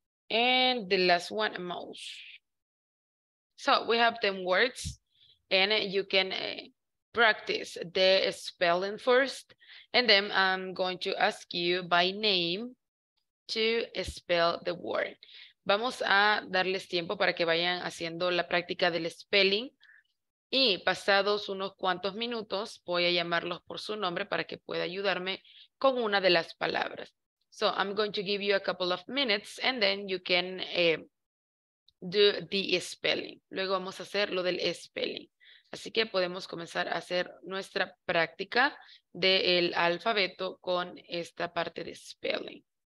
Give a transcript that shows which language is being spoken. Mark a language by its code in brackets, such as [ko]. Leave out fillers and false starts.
[en] And the last one, mouse. So we have 10 words and you can practice the spelling first. And then I'm going to ask you by name to spell the word. [es] Vamos a darles tiempo para que vayan haciendo la práctica del spelling y pasados unos cuantos minutos voy a llamarlos por su nombre para que pueda ayudarme con una de las palabras. [en] So I'm going to give you a couple of minutes and then you can do the spelling. [es] Luego vamos a hacer lo del spelling. Así que podemos comenzar a hacer nuestra práctica del alfabeto con esta parte de spelling.